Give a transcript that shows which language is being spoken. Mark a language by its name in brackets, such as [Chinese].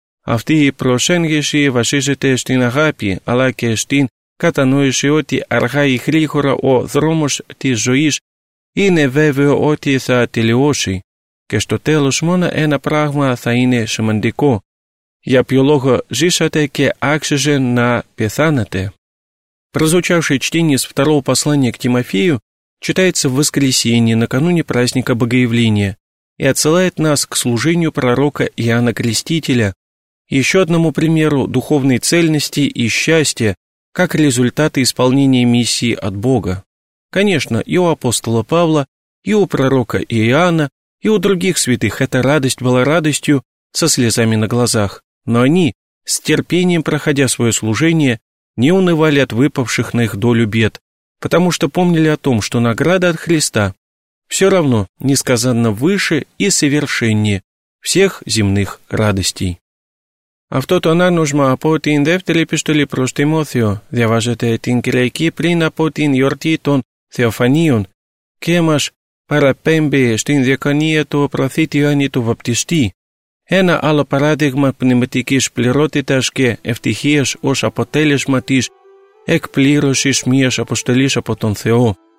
[Greek] Αυτή η προσέγγιση βασίζεται στην αγάπη, αλλά και στην κατανόηση ότι αργά ή γρήγορα ο δρόμος της ζωής είναι βέβαιο ότι θα τελειώσει. Και στο τέλος μόνο ένα πράγμα θα είναι σημαντικό. Για ποιο λόγο ζήσατε και άξιζε να πεθάνετε. [Russian] Прозвучавший чтение из второго послания к Тимофею читается в воскресенье, накануне праздника Богоявления, и отсылает нас к служению пророка Иоанна Крестителя, еще одному примеру духовной цельности и счастья, как результаты исполнения миссии от Бога. Конечно, и у апостола Павла, и у пророка Иоанна, и у других святых эта радость была радостью со слезами на глазах, но они с терпением проходя свое служение, не унывали от выпавших на их долю бед, потому что помнили о том, что награда от Христа все равно несказанно выше и совершеннее всех земных радостей. [Greek] Αυτό το ανάγνωσμα από την δεύτερη επιστολή προς Τιμόθεο διαβάζεται την Κυριακή πριν από την γιορτή των Θεοφανίων και μας παραπέμπει στην διακονία του προφήτη Ιωάννη του Βαπτιστή. Ένα άλλο παράδειγμα πνευματικής πληρότητας και ευτυχίας ως αποτέλεσμα της εκπλήρωσης μιας αποστολής από τον Θεό.